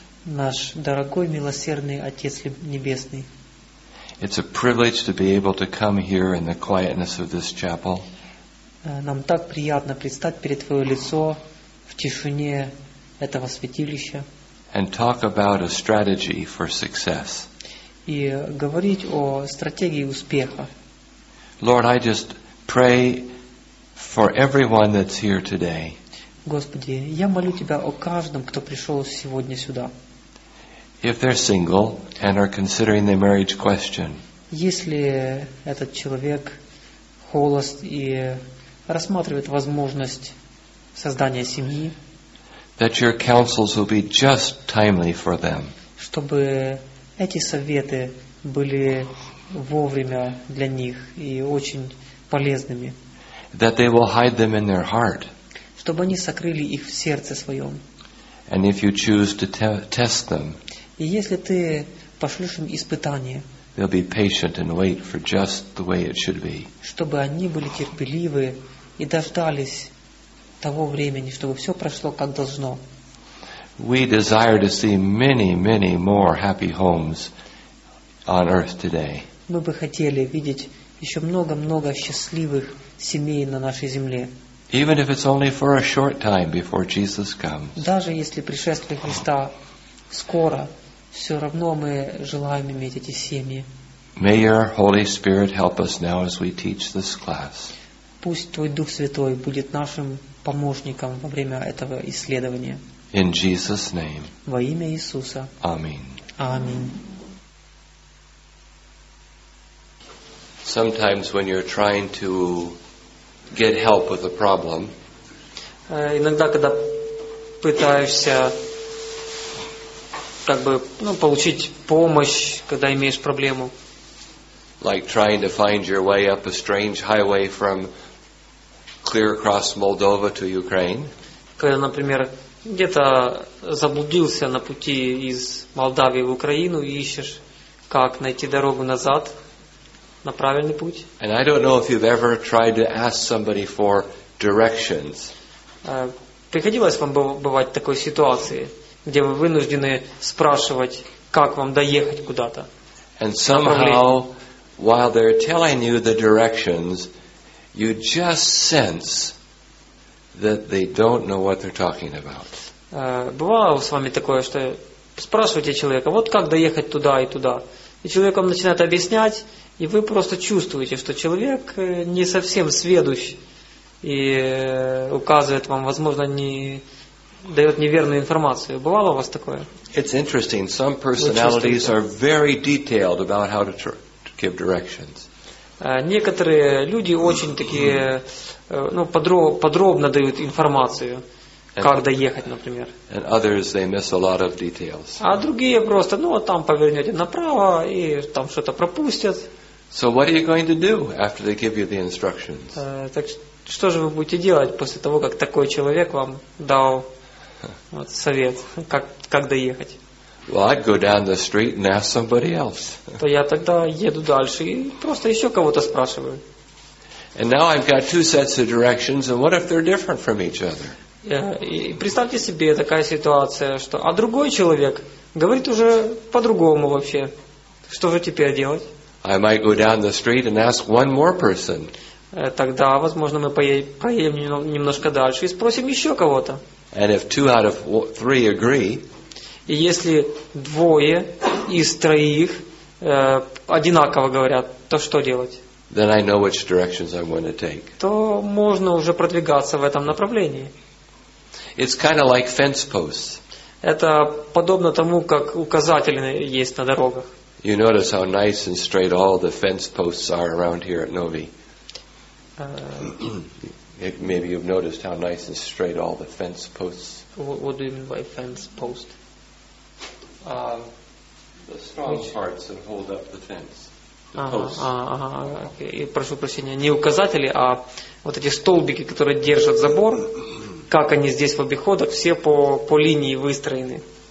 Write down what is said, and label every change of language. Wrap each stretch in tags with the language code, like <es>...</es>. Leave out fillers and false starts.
<ru>Наш дорогой милосердный Отец небесный.</ru> <en>It's a privilege to be able to come here in the quietness of this chapel.</en> <ru>Нам так приятно предстать перед Твое лицо в тишине этого святилища.</ru> <en>And talk about a strategy for success.</en> <ru>И говорить о стратегии успеха.</ru> <en>Lord, I just pray for everyone that's here today.</en> <ru>Господи, я молю Тебя о каждом, кто пришел сегодня сюда.</ru> <en>If they're single and are considering the marriage question.</en> <ru>Если этот человек холост и рассматривает возможность создания семьи.</ru> <en>That your counsels will be just timely for them.</en> <ru>Чтобы эти советы были вовремя для них и очень полезными.</ru> <en>That they will hide them in their heart.</en> <ru>Чтобы они сокрыли их в сердце своем.</ru> <en>And if you choose to test them,</en> <ru>и если ты пошлешь им испытание,</ru> <en>they'll be patient and wait for just the way it should be.</en> <ru>Чтобы они были терпеливы и дождались того времени, чтобы все прошло как должно.</ru> <en>We desire to see many, many more happy homes on earth today.</en> <ru>Мы бы хотели видеть еще много-много счастливых семей на нашей земле.</ru> <en>Even if it's only for a short time before Jesus comes.</en> <ru>Даже если пришествие Христа скоро, все равно мы желаем иметь эти семьи.</ru> <en>May your Holy Spirit help us now as we teach this class.</en> <ru>Пусть Твой Дух Святой будет нашим помощником во время этого исследования.</ru> <en>In Jesus' name.</en> <ru>Во имя Иисуса. Аминь. Аминь.</ru> <en>Sometimes when you're trying to get help with a problem,</en> <ru>иногда когда пытаешься как бы получить помощь, когда имеешь проблему,</ru> <en>like trying to find your way up a strange highway from clear across Moldova to Ukraine,</en> <ru>когда, например, где-то заблудился на пути из Молдавии в Украину и ищешь, как найти дорогу назад. На правильный путь.</ru> <en>And I don't know if you've ever tried to ask somebody for directions.</en> <ru>Приходилось вам бывать в такой ситуации, где вы вынуждены спрашивать, как вам доехать куда-то?</ru> <en>And somehow, while they're telling you the directions, you just sense that they don't know what they're talking about.</en> <ru>Бывало с вами такое, что спрашиваете человека, вот как доехать туда и туда, и человек вам начинает объяснять. И вы просто чувствуете, что человек не совсем сведущ и указывает вам, возможно, не дает неверную информацию. Бывало у вас такое?</ru> <en>It's interesting. Some personalities are very detailed about how to give directions.</en> <ru>Некоторые люди очень такие, подробно дают информацию, как доехать, например.</ru> <en>And others, they miss a lot of details.</en> <ru>А другие просто, там повернете направо и там что-то пропустят.</ru> <en>So what are you going to do after they give you the instructions?</en> <ru>Так что же вы будете делать после того, как такой человек вам дал совет, как доехать?</ru> <en>Well, I'd go down the street and ask somebody else.</en> <ru>То я тогда еду дальше и просто еще кого-то спрашиваю.</ru> <en>And now I've got two sets of directions, and what if they're different from each other?</en> <ru>И представьте себе такая ситуация, что а другой человек говорит уже по-другому вообще. Что же теперь делать?</ru> <en>I might go down the street and ask one more person.</en> <ru>Тогда, возможно, мы проедем немножко дальше и спросим еще кого-то.</ru> <en>And if two out of three agree,</en> <ru>и если двое из троих одинаково говорят, то что делать?</ru> <en>Then I know which directions I'm going to take.</en> <ru>То можно уже продвигаться в этом направлении.</ru> <en>It's kind of like fence posts.</en> <ru>Это подобно тому, как указатели есть на дорогах.</ru> <en>You notice how nice and straight all the fence posts are around here at Novi. Maybe you've noticed how nice and straight all the fence posts. What do you mean by fence post? The strong parts that hold up the fence. Okay.</en> <ru>Прошу прощения, не указатели, а вот эти столбики, которые держат забор, как они здесь в обиходах, все по линии выстроены.</ru>